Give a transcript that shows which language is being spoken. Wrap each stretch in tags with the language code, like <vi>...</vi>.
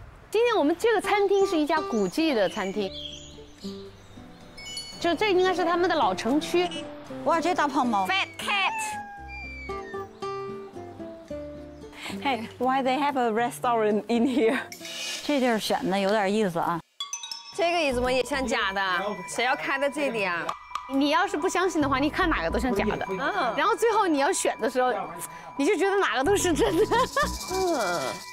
<zh>今天我们这个餐厅是一家古迹的餐厅，就这应该是他们的老城区。哇，这大胖猫</zh> <en>，Fat Cat。 Hey, why they have a restaurant in here？</en> <zh>这地儿选的有点意思啊。这个椅子怎么也像假的？谁要开在这里啊？你要是不相信的话，你看哪个都像假的。嗯。然后最后你要选的时候，你就觉得哪个都是真的。嗯。</zh>